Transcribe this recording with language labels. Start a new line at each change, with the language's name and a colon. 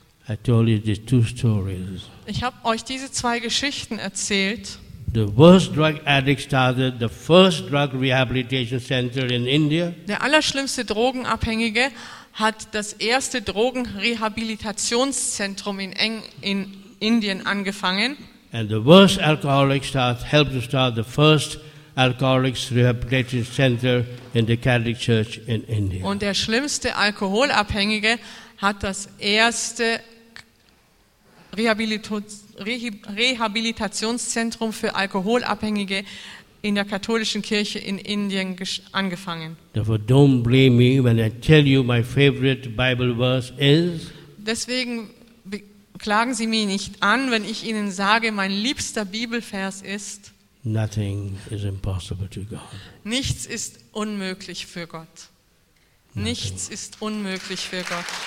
English: I told you these two stories.
German: Ich habe euch diese 2 Geschichten erzählt.
English: The worst drug addict started the first drug rehabilitation center in India.
German: Der allerschlimmste Drogenabhängige hat das erste Drogenrehabilitationszentrum in Indien angefangen.
English: And the worst alcoholic helped to start the first alcoholics rehabilitation center in the Catholic Church in India.
German: Und der schlimmste Alkoholabhängige hat das erste Rehabilitationszentrum für Alkoholabhängige in der katholischen Kirche in Indien angefangen.
English: Therefore, don't blame me when I tell you my favorite Bible verse is.
German: Deswegen klagen Sie mich nicht an, wenn ich Ihnen sage, mein liebster Bibelvers ist,
English: nothing is impossible to God.
German: Nichts ist unmöglich für Gott.
English: Nothing.
German: Nichts ist unmöglich für Gott.